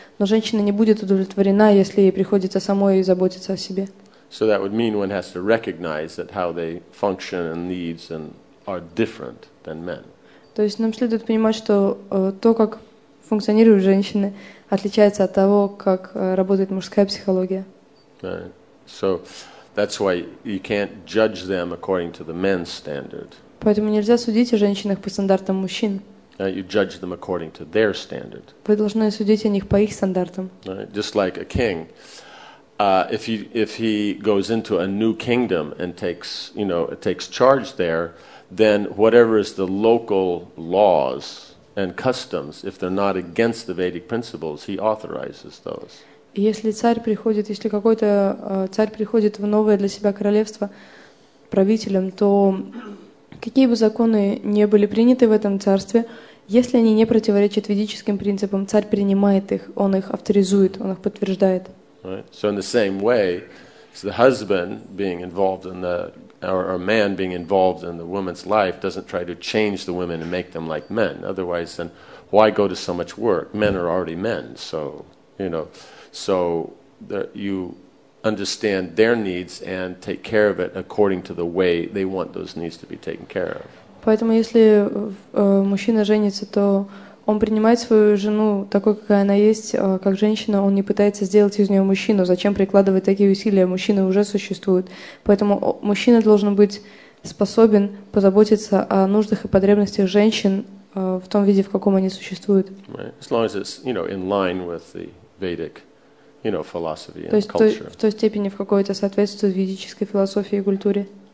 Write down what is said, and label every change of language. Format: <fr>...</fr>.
<ru>Но женщина не будет удовлетворена, если ей приходится самой заботиться о себе.</ru> <en>So that would mean one has to recognize that how they function and needs and are different than men.</en> <ru>То есть нам следует понимать, что то, как функционируют женщины, отличается от того, как работает мужская психология.</ru> <en>Right. So that's why you can't judge them according to the men's standard.</en> <ru>Поэтому нельзя судить о женщинах по стандартам мужчин.</ru> <en>You judge them according to their standard.</en> <ru>Вы должны судить о них по их стандартам.</ru> <en>Just like a king, if he goes into a new kingdom and takes, you know, takes charge there, then whatever is the local laws and customs, if they're not against the Vedic principles, he authorizes those.</en> <ru>Если царь приходит, если какой-то царь приходит в новое для себя королевство правителем, то какие бы законы не были приняты в этом царстве, если они не противоречат ведическим принципам, царь принимает их, он их авторизует, он их подтверждает.</ru> <en>Right. So in the same way, so the husband being involved in the or a man being involved in the woman's life doesn't try to change the women and make them like men. Otherwise, then why go to so much work? Men are already men, so you know. So that you understand their needs and take care of it according to the way they want those needs to be taken care of.</en> <ru>Поэтому если мужчина женится, то он принимает свою жену такой, какая она есть, как женщина, он не пытается сделать из нее мужчину. Зачем прикладывать такие усилия? Мужчины уже существуют. Поэтому мужчина должен быть способен позаботиться о нуждах и потребностях женщин в том виде, в каком они существуют.</ru> <en>Right. As long as it's, you know, in line with the Vedic, you know, philosophy and culture.</en> <ru>То есть в той степени, в какой это соответствует ведической философии и культуре.</ru>